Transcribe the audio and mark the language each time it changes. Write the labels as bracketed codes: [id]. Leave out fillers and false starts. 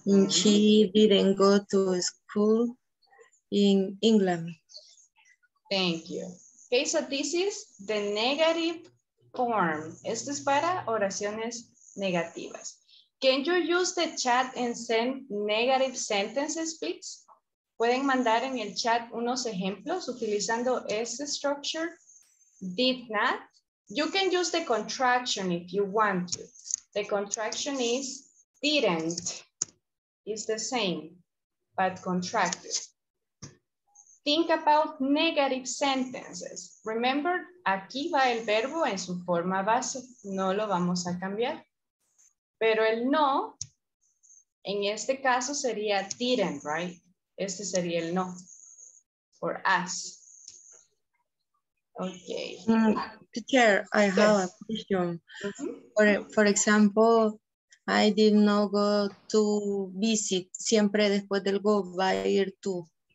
[en] She didn't go to school in England. Thank you. Okay, so this is the negative form. [es] Esto es para oraciones negativas. [en] Can you use the chat and send negative sentences, please? [es] ¿Pueden mandar en el chat unos ejemplos utilizando esta structure? [en] Did not. You can use the contraction if you want to. The contraction is Didn't is the same, but contracted. Think about negative sentences. [es] Remember, aquí va el verbo en su forma base. No lo vamos a cambiar. Pero el no, en este caso sería didn't, right? Este sería el no. [en] For us. [es] Okay. [en] Teacher, I have a question. Mm-hmm. For example, I did not go to visit. [es] Siempre después del go va a ir tú.